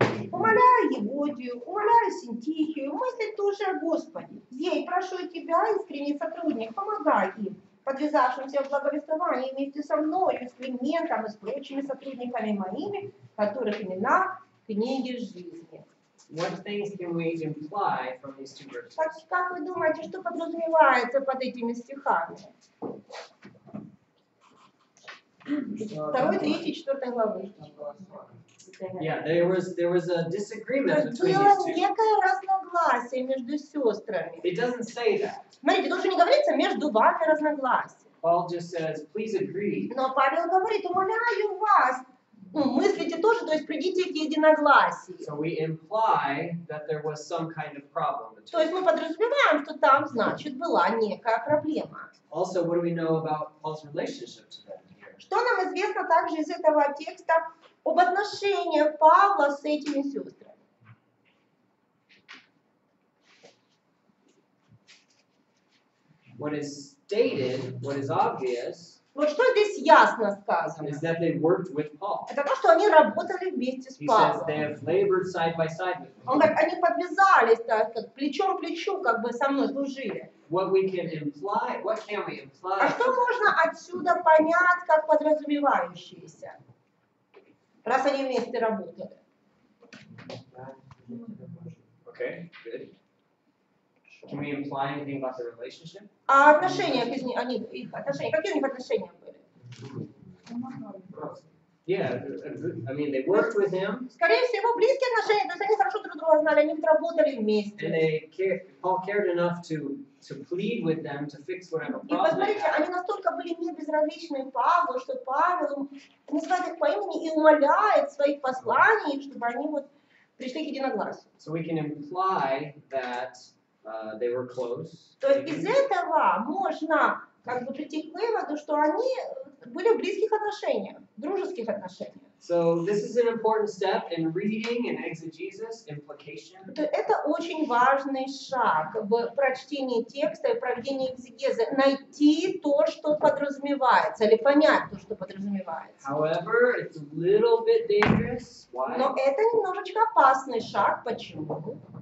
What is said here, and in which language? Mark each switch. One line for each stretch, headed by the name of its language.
Russian: Умоляю Еводию, умоляю Синтихию, мысли тоже о Господе. Ей прошу тебя, искренний сотрудник, помогай им, подвязавшимся в благовествовании вместе со мной, с Климентом и с прочими сотрудниками моими, которых имена в книге жизни.
English: What things can we imply from these two verses?
Russian: Как вы думаете, что подразумевается под этими стихами? Второй, третий, четвертой главы.
English: Yeah, there was a disagreement between these two.
Russian: Было некое разногласие между сестрами.
English: It doesn't say that.
Russian: Смотрите, тут же не говорится между вами разногласие.
English: Paul just says, please agree.
Russian: Но Павел говорит, умоляю вас, мыслите тоже, то есть придите к единогласию.
English: So we imply that there was some kind of problem.
Russian: То есть мы подразумеваем, что там, значит, была некая проблема.
English: Also, what do we know about Paul's relationship to them here?
Russian: Что нам известно также из этого текста об отношениях Павла с этими сестрами?
English: What is stated, what is obvious,
Russian: вот что здесь ясно сказано.
English: Is that they worked with Paul.
Russian: Это то, что они работали вместе с Павлом.
English: He says they have labored side by side with him.
Russian: Он говорит, они подвязались, так, как плечом к плечу, как бы со мной служили.
English: What we can imply, what can we imply?
Russian: А что можно отсюда понять, как подразумевающиеся? Раз они вместе работали.
English: Okay, good. Can we imply anything about the relationship?
Russian: А отношения к ним, они, их отношения, какие у них отношения были?
English: Yeah, I mean, they worked with him.
Russian: Скорее всего, близкие отношения, то есть они хорошо друг друга знали, они работали вместе.
English: And Paul cared enough to plead with them to fix whatever problem.
Russian: И посмотрите, они настолько были не безразличны Павлу, что Павел называет их по имени и умоляет своих посланий, чтобы они вот пришли к единогласию.
English: So we can imply that they were close.
Russian: То есть из этого можно как бы прийти к выводу, что они были в близких отношениях, дружеских отношениях.
English: So this is an important step in reading and exegesis implication.
Russian: То это очень важный шаг в прочтении текста и проведении экзегезы, найти то, что подразумевается, или понять то, что подразумевается.
English: However, it's a little bit dangerous. Why?
Russian: Но это немножечко опасный шаг. Почему?